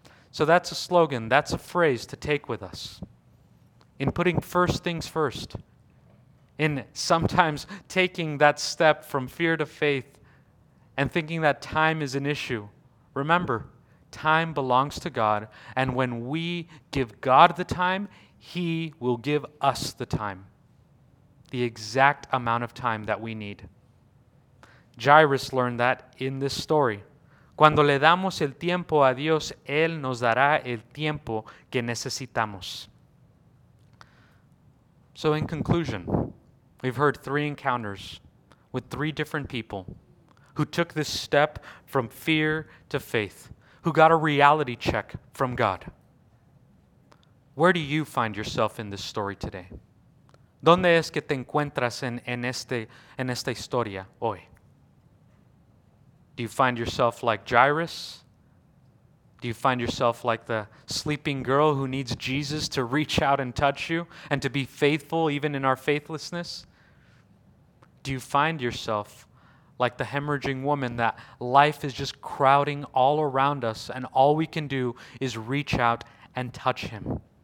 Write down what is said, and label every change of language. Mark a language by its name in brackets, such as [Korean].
[English] So that's a slogan, that's a phrase to take with us. In putting first things first, in sometimes taking that step from fear to faith and thinking that time is an issue, remember, Time belongs to God, and when we give God the time, He will give us the time, the exact amount of time that we need. Jairus learned that in this story. [Spanish] Cuando le damos el tiempo a Dios, Él nos dará el tiempo que necesitamos. [English] So in conclusion, we've heard three encounters with three different people who took this step from fear to faith, who got a reality check from God. Where do you find yourself in this story today? [Spanish] ¿Dónde es que te encuentras en esta historia hoy? [English] Do you find yourself like Jairus? Do you find yourself like the sleeping girl who needs Jesus to reach out and touch you and to be faithful even in our faithlessness? Do you find yourself like the hemorrhaging woman that life is just crowding all around us and all we can do is reach out and touch Him?